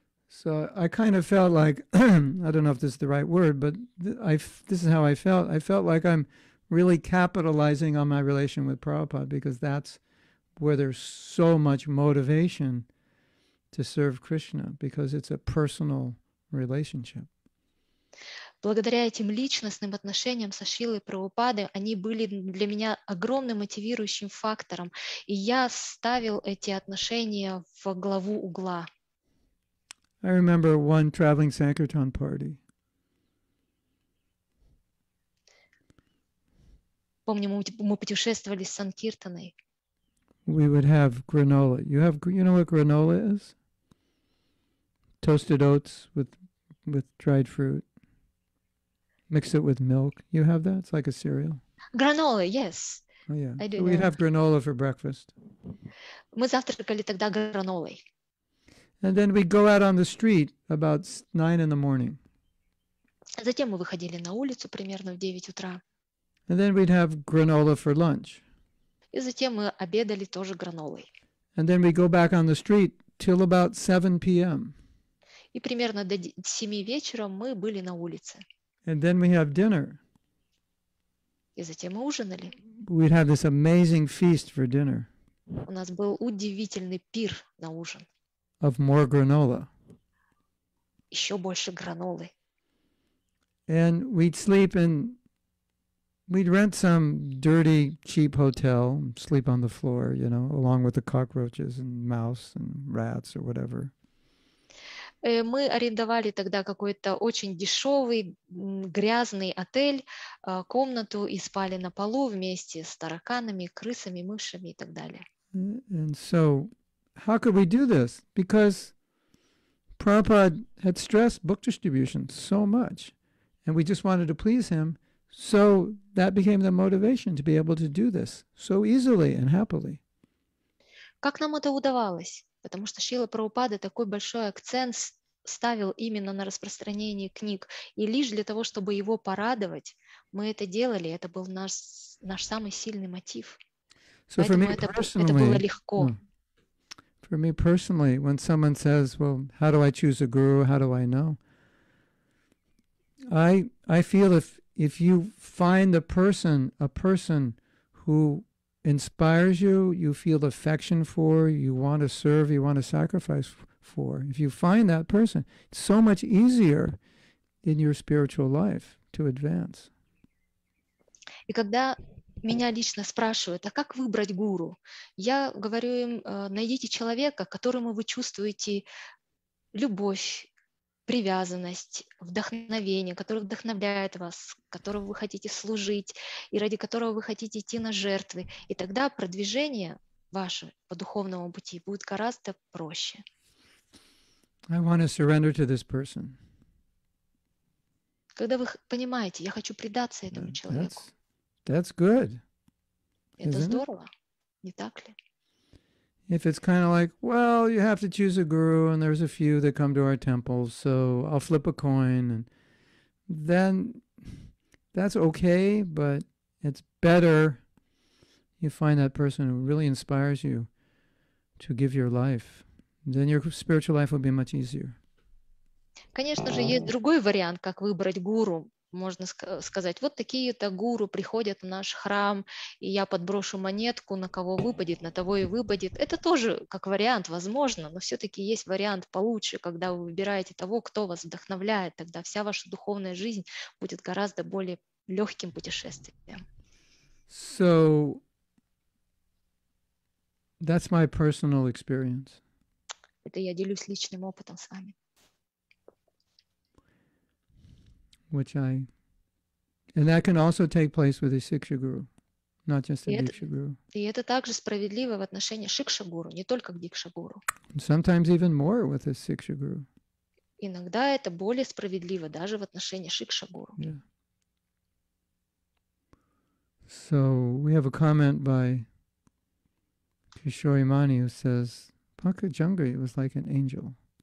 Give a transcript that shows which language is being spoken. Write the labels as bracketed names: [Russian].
[English] So I kind of felt like, I don't know if this is the right word, but this is how I felt. I felt like I'm really capitalizing on my relation with Prabhupada because that's where there's so much motivation to serve Krishna because it's a personal relationship. [Russian] Благодаря этим личностным отношениям со Шрилой Прабхупадой, они были для меня огромным мотивирующим фактором, и я ставил эти отношения в главу угла. [English] I remember one traveling sankirtan party. [Russian] Помню, мы путешествовали с санкиртаной. [English] We would have granola. You know what granola is? Toasted oats with dried fruit. Mix it with milk. You have that? It's like a cereal. Granola, yes. Oh yeah. I do. So we'd have granola for breakfast. [Russian] Мы завтракали тогда гранолой. [English] And then we'd go out on the street about 9 in the morning. [Russian] Затем мы выходили на улицу примерно в 9 утра. [English] And then we'd have granola for lunch. [Russian] И затем мы обедали тоже гранолой. [English] And then we'd go back on the street till about 7 p.m. [Russian] И примерно до 7 вечера мы были на улице. [English] And then we have dinner. [Russian] И затем мы ужинали. [English] We'd have this amazing feast for dinner. [Russian] У нас был удивительный пир на ужин. [English] Of more granola. [Russian] Еще больше гранолы. [English] And we'd sleep in, we'd rent some dirty, cheap hotel, sleep on the floor, you know, along with the cockroaches and mouse and rats or whatever. [Russian] Мы арендовали тогда какой-то очень дешевый, грязный отель, комнату и спали на полу вместе с тараканами, крысами, мышами и так далее. [English] And so, how could we do this? Because Prabhupada had stressed book distribution so much, and we just wanted to please him, so that became the motivation to be able to do this so easily and happily. [Russian] Как нам это удавалось? Потому что Шрила Прабхупада такой большой акцент ставил именно на распространение книг. И лишь для того, чтобы его порадовать, мы это делали. Это был наш самый сильный мотив. [English] So [Russian] поэтому [English] for me [Russian] это было легко. [English] For me personally, when someone says, well, how do I choose a guru? How do I know? I feel if you find a person who inspires you, you feel affection for, you want to serve, you want to sacrifice for. If you find that person, it's so much easier in your spiritual life to advance. [Russian] И когда меня лично спрашивают, а как выбрать гуру? Я говорю им, найдите человека, которому вы чувствуете любовь, привязанность, вдохновение, который вдохновляет вас, которому вы хотите служить и ради которого вы хотите идти на жертвы. И тогда продвижение ваше по духовному пути будет гораздо проще. [English] I want to surrender to this person. [Russian] Когда вы понимаете, я хочу предаться этому человеку. [English] That's good. [Russian] Это здорово, не так ли? [English] If it's kind of like, well, you have to choose a guru, and there's a few that come to our temples, so I'll flip a coin, and then that's okay, but it's better you find that person who really inspires you to give your life. Then your spiritual life will be much easier. [Russian] Конечно же, есть другой вариант, как выбрать гуру. Можно сказать, вот такие-то гуру приходят в наш храм, и я подброшу монетку, на кого выпадет, на того и выпадет. Это тоже как вариант, возможно, но все-таки есть вариант получше, когда вы выбираете того, кто вас вдохновляет, тогда вся ваша духовная жизнь будет гораздо более легким путешествием. [English] So, That's my personal experience. [Russian] Это я делюсь личным опытом с вами. [English] Which I, and that can also take place with a Siksha guru, not just a Diksha guru. [Russian] И это также справедливо в отношении Шикша гуру, не только к Дикша гуру. [English] Sometimes even more with a Siksha guru. [Russian] Иногда это более справедливо даже в отношении Шикша гуру. [English] Yeah. So we have a comment by Kishore Imani who says, Panka Jungri was like an angel.